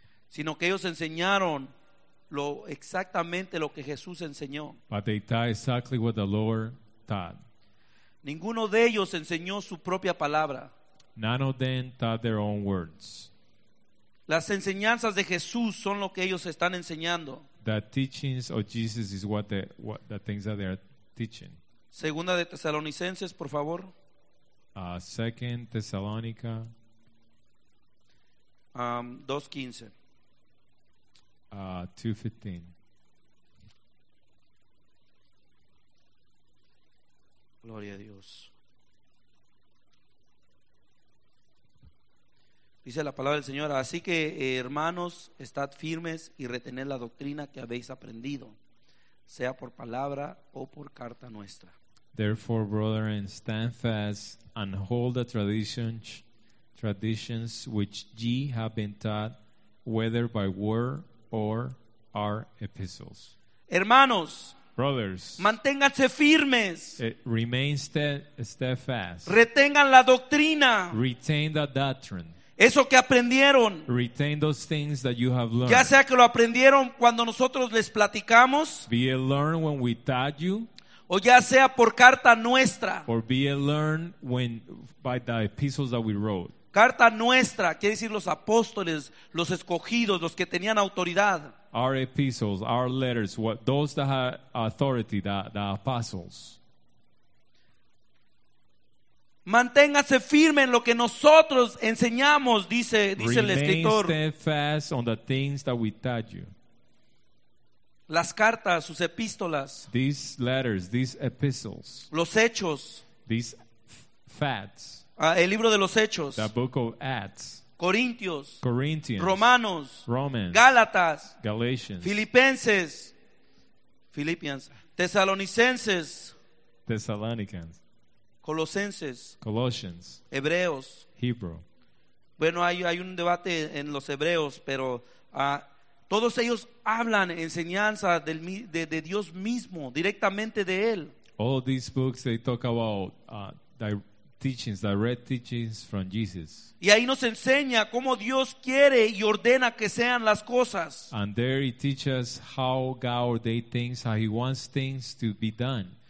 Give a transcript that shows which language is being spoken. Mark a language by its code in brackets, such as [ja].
[es] Sino que ellos enseñaron lo exactamente lo que Jesús enseñó. [en] But they taught exactly what the Lord taught. [es] Ninguno de ellos enseñó su propia palabra. [en] None of them taught their own words. [es] Las enseñanzas de Jesús son lo que ellos están enseñando. [en] The teachings of Jesus is what the things that they are teaching. [es] Segunda de Tesalonicenses, por favor. [en] Second Thessalonica. [es] 2:15. [en] 2:15. [es] Gloria a Dios. Dice la palabra del Señor: así que, hermanos, estad firmes y retened la doctrina que habéis aprendido, sea por palabra o por carta nuestra. [en] Therefore, brethren, stand fast and hold the traditions which ye have been taught, whether by word or our epistles. [es] Hermanos, [en] brothers, [es] manténganse firmes. [en] Remain steadfast. [es] Retengan la doctrina. [en] Retain the doctrine. [es] Eso que aprendieron. [en] Retain those things that you have learned. [es] Ya sea que lo aprendieron cuando nosotros les platicamos. [en] Be it learned when we taught you. [es] O ya sea por carta nuestra. [en] Or be it learned when by the epistles that we wrote. [es] Carta nuestra, quiere decir los apóstoles, los escogidos, los que tenían autoridad. [en] Our epistles, our letters, what, those that had authority, the apostles. [es] Manténgase firme en lo que nosotros enseñamos, dice el escritor. [en] Remain steadfast on the things that we taught you. [es] Las cartas, sus epístolas. [en] These letters, these epistles. [es] Los hechos. [en] These facts. [es] El libro de los hechos. [en] The book of Acts. [es] Corintios. [en] Corinthians. [es] Romanos. [en] Romans. [es] Gálatas. [en] Galatians. [es] Filipenses. Philippians. Tesalonicenses. [en] Thessalonians. [es] Colosenses. [en] Colossians. [es] Hebreos. [en] Hebrew. [es] Bueno, hay un debate en los hebreos, pero todos ellos hablan enseñanza de Dios mismo, directamente de Él. [en] All these books, they talk about teachings, direct teachings from Jesus. [es] Y ahí nos enseña cómo Dios quiere y ordena que sean las cosas. [en] And there he teaches how God ordained things, how he wants things to be done.